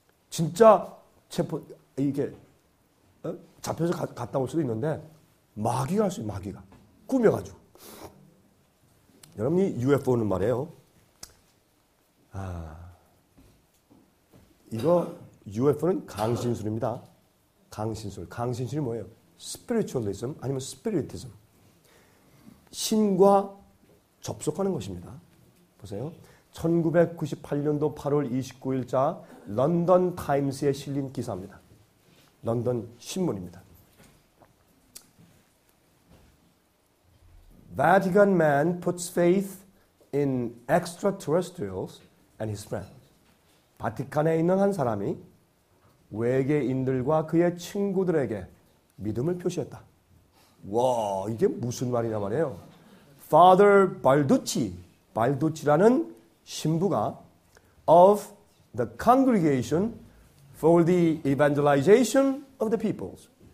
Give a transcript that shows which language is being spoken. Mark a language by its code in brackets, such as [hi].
[ko] 진짜 체포 이게 잡혀서 갔다 올 수도 있는데 마귀가 할 수 있어요. 마귀가. 꾸며가지고. 여러분, 이 UFO는 말이에요. 아, 이거 UFO는 강신술입니다. 강신술. 강신술이 뭐예요? Spiritualism 아니면 Spiritism. 신과 접속하는 것입니다. 보세요. 1998년도 8월 29일자 런던 타임스에 실린 기사입니다. 런던 신문입니다. [en] Vatican man puts faith in extraterrestrials and his friends. [ko] 바티칸에 있는 한 사람이 외계인들과 그의 친구들에게 믿음을 표시했다. 와, 이게 무슨 말이냐 말이에요. [en] Father Balducci, [ko] Balducci라는 신부가 [en] of the congregation for the evangelization of the peoples.